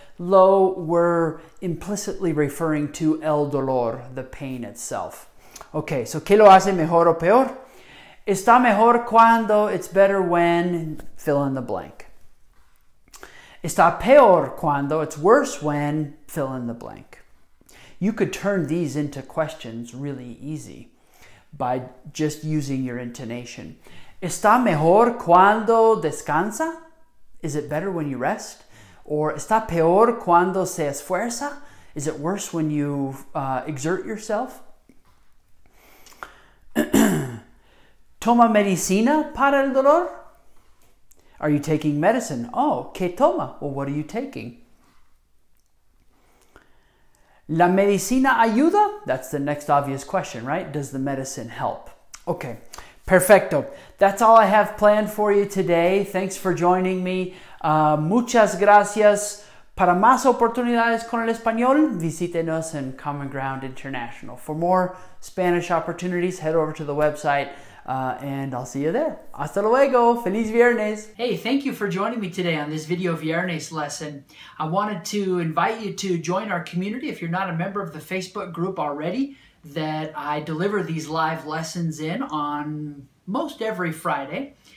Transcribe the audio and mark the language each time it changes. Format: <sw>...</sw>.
<en>Lo, we're implicitly referring to el dolor, the pain itself. Okay, so</en> <es>¿qué lo hace mejor o peor? Está mejor cuando,</es> <en>it's better when, fill in the blank.</en> <es>Está peor cuando,</es> <en>it's worse when, fill in the blank. You could turn these into questions really easy by just using your intonation.</en> <es>Está mejor cuando descansa?</es> <en>Is it better when you rest? Or</en> <es>está peor cuando se esfuerza?</es> <en>Is it worse when you exert yourself?</en> <es>¿Toma medicina para el dolor?</es> <en>Are you taking medicine? Oh,</en> <es>¿qué toma?</es> <en>Well, what are you taking?</en> <es>¿La medicina ayuda?</es> <en>That's the next obvious question, right? Does the medicine help? Okay, perfecto. That's all I have planned for you today. Thanks for joining me.</en> <es>Muchas gracias. Para más oportunidades con el español, visítenos en Common Ground International.</es> <en>For more Spanish opportunities, head over to the website. And I'll see you there.</en> <es>Hasta luego. Feliz viernes.</es> <en>Hey, thank you for joining me today on this video viernes lesson. I wanted to invite you to join our community if you're not a member of the Facebook group already that I deliver these live lessons in on most every Friday.</en>